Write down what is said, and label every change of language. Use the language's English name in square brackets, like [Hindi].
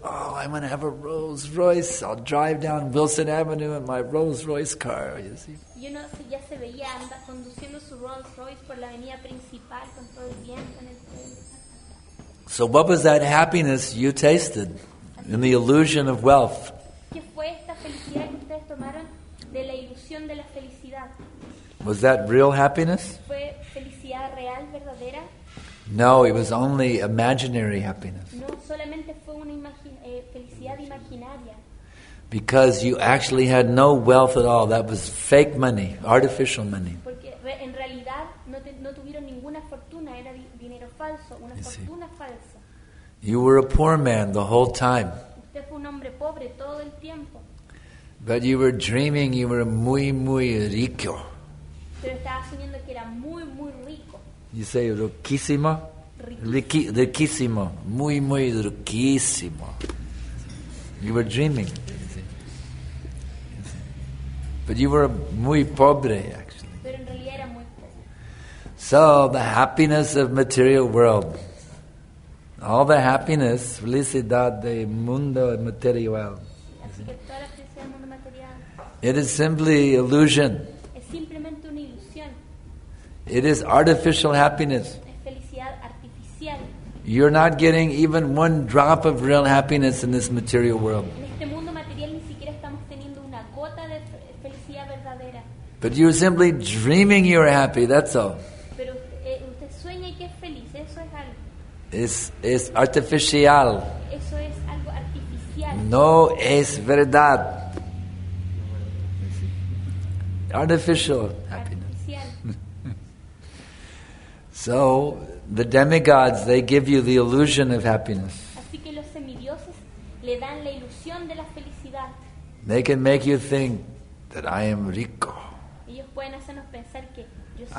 [English] Oh, I'm going to have a Rolls Royce. I'll drive down Wilson Avenue in my Rolls Royce car, you see. You know, [Spanish] ya se veía, anda conduciendo su Rolls Royce por la avenida principal con todo el viento en el pelo. [English] So what was that happiness you tasted in the illusion of wealth? [Spanish] ¿Qué fue esta felicidad que ustedes tomaron de la ilusión de la felicidad? [English] Was that real happiness? [Spanish] ¿Fue felicidad real, verdadera? [English] No, it was only imaginary happiness. [Spanish] No, solamente fue una felicidad imaginaria. [English] Because you actually had no wealth at all. That was fake money, artificial money. [Spanish] Porque en realidad no tuvieron ninguna fortuna, era dinero falso, una fortuna falsa. [English] You were a poor man the whole time. [Spanish] Usted fue un hombre pobre todo el tiempo. [English] But you were dreaming you were [Spanish] muy, muy rico. Pero estaba soñando que era muy, muy rico. [English] You say riquísimo? [Spanish] Riquísimo. Muy, muy riquísimo. [English] You were dreaming. But you were [Spanish] muy pobre, [English] actually. [Spanish] Pero en realidad era muy pobre. [English] So, the happiness of material world. All the happiness, [Spanish] felicidad de mundo material. Así que toda la felicidad del mundo material. [English] It is simply illusion. [Spanish] Es simplemente una ilusión. [English] It is artificial happiness. [Spanish] Es felicidad artificial. [English] You're not getting even one drop of real happiness in this material world. [Spanish] En este mundo material ni siquiera estamos teniendo una gota de felicidad verdadera. [English] But you're simply dreaming you're happy, that's all. [Spanish] Pero usted sueña y que es feliz, eso es algo. Es artificial. Eso es algo artificial. No es verdad. [English] Artificial happiness. So the demigods, they give you the illusion of happiness. [Spanish] Así que los semidioses le dan la ilusión de la felicidad. [English] They can make you think that I am rico. [Spanish] Ellos pueden hacernos pensar que yo soy rico.